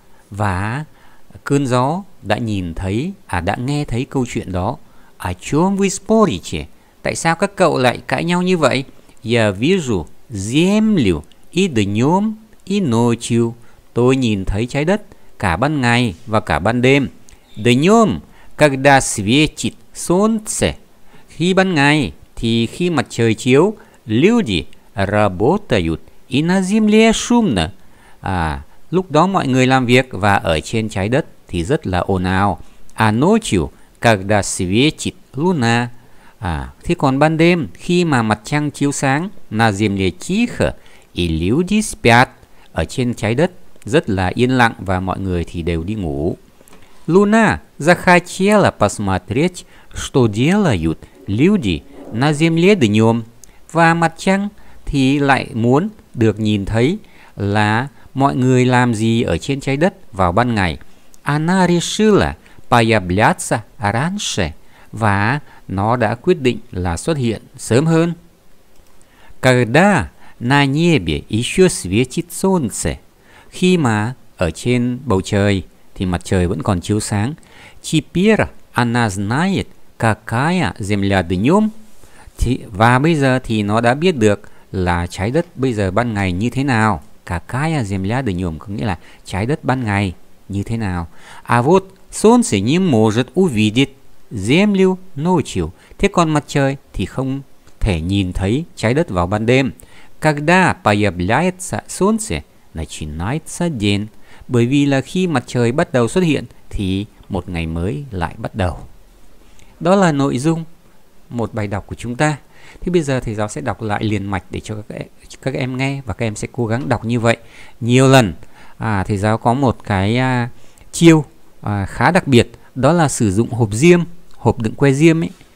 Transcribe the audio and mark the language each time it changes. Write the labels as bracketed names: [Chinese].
[Vietnamese] Và cơn gió đã nhìn thấy, đã nghe thấy câu chuyện đó. [Russian] О чем вы спорите? [Vietnamese] Tại sao các cậu lại cãi nhau như vậy? [Russian] Я вижу землю и днем, и ночью. [Vietnamese] Tôi nhìn thấy trái đất cả ban ngày và cả ban đêm. [Russian] Днем, когда светит солнце. [Vietnamese] Khi ban ngày thì khi mặt trời chiếu. [Russian] Люди работают и на земле шумно. [Vietnamese] Lúc đó mọi người làm việc và ở trên trái đất thì rất là ồn ào. [Russian] À nocio, когда светит луна. [Vietnamese] Thế còn ban đêm, khi mà mặt trăng chiếu sáng, [Russian] на земле тихо и люди спят. [Vietnamese] Ở trên trái đất, rất là yên lặng và mọi người thì đều đi ngủ. [Russian] Луна захотела посмотреть, что делают люди на земле днем. [Vietnamese] Và mặt trăng thì lại muốn được nhìn thấy là mọi người làm gì ở trên trái đất vào ban ngày. [Russian] Она решила появляться раньше. [Vietnamese] Và nó đã quyết định là xuất hiện sớm hơn. [Russian] Когда на небе еще светит солнце. [Vietnamese] Khi mà ở trên bầu trời thì mặt trời vẫn còn chiếu sáng. [Russian] Теперь она знает, какая земля днем. [Vietnamese] Và bây giờ thì nó đã biết được là trái đất bây giờ ban ngày như thế nào. [Russian] Какая земля днем [Vietnamese] có nghĩa là trái đất ban ngày như thế nào. [Russian] А вот солнце не может увидеть землю ночью. [Vietnamese] Thế còn mặt trời thì không thể nhìn thấy trái đất vào ban đêm. [Russian] Когда появляется солнце, начинается день. [Vietnamese] Bởi vì là khi mặt trời bắt đầu xuất hiện thì một ngày mới lại bắt đầu. Đó là nội dung một bài đọc của chúng ta. Thế bây giờ thầy giáo sẽ đọc lại liền mạch để cho các em nghe và các em sẽ cố gắng đọc như vậy nhiều lần. Thầy giáo có một cái chiêu khá đặc biệt, đó là sử dụng hộp diêm, hộp đựng que diêm ấy.